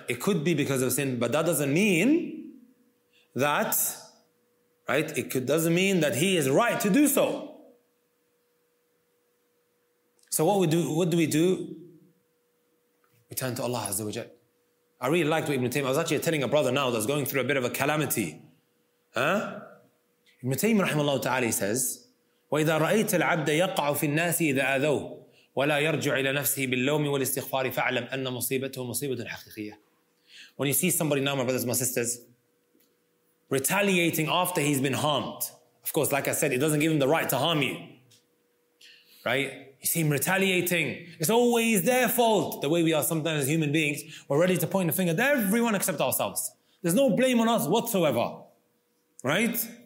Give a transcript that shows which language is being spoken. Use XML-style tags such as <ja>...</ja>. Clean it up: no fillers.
<en>It could be because of sin, but that doesn't mean that, right? It could, doesn't mean that he is right to do so. So what do we do? We turn to Allah Azza wa Jal. I really liked what Ibn Taymiyyah, I was actually telling a brother now that's going through a bit of a calamity. Huh?</en> <ar>Ibn Taymiyyah rahimahullah ta'ala says, وَإِذَا رَأَيْتَ الْعَبْدَ يَقْعُ فِي النَّاسِ إِذَا أَذَوْهُ وَلَا يَرْجُعُ إِلَى نَفْسِهِ بِاللَّوْمِ وَالِاسْتِغْفَارِ فَعْلَمْ أَنَّ مُصِيبَتُهُ مُصِيبَةٌ حَقِيقِيَّةٌ.</ar> <en>When you see somebody now, my brothers, my sisters, retaliating after he's been harmed. Of course, like I said, it doesn't give him the right to harm you. Right? You see him retaliating. It's always their fault, the way we are sometimes as human beings. We're ready to point the finger at everyone except ourselves. There's no blame on us whatsoever. Right?</en>